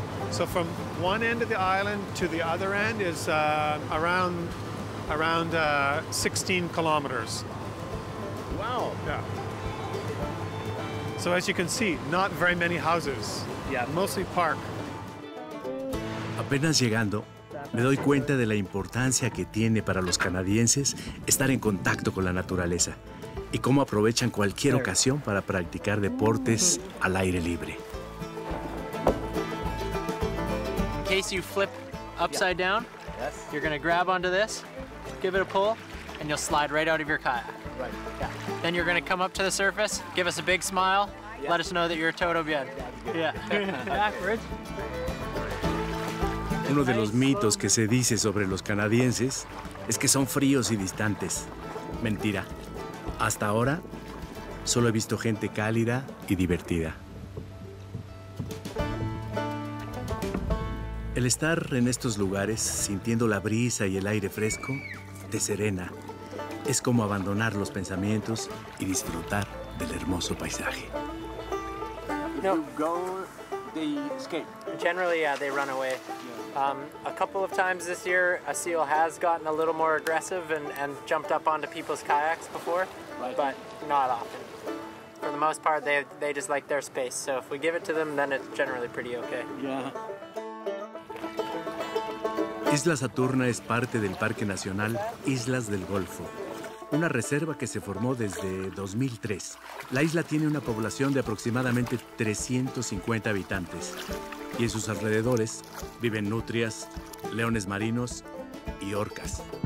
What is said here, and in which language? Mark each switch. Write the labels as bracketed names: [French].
[English] So from one end of the island to the other end is around 16 kilometers. Wow. Yeah. So as you can see, not very many houses. Yeah. Mostly park. [Spanish] Apenas llegando, me doy cuenta de la importancia que tiene para los canadienses estar en contacto con la naturaleza y cómo aprovechan cualquier ocasión para practicar deportes al aire libre. [English] In case you flip upside down, you're going to grab onto this, give it a pull, and you'll slide right out of your kayak. Right. Yeah. Then you're going to come up to the surface, give us a big smile, let us know that you're a [Spanish] todo bien. [English] Yeah. Backwards. [Spanish] Uno de los mitos que se dice sobre los canadienses es que son fríos y distantes. Mentira. Hasta ahora, solo he visto gente cálida y divertida. El estar en estos lugares, sintiendo la brisa y el aire fresco, te serena. Es como abandonar los pensamientos y disfrutar del hermoso paisaje. [English] No. They escape. Generally, yeah, they run away. A couple of times this year, a seal has gotten a little more aggressive and jumped up onto people's kayaks before, but not often. For the most part, they just like their space, so if we give it to them, then it's generally pretty okay. Yeah. [Spanish] Isla Saturna es parte del Parque Nacional Islas del Golfo, una reserva que se formó desde 2003. La isla tiene una población de aproximadamente 350 habitantes. Y en sus alrededores viven nutrias, leones marinos y orcas.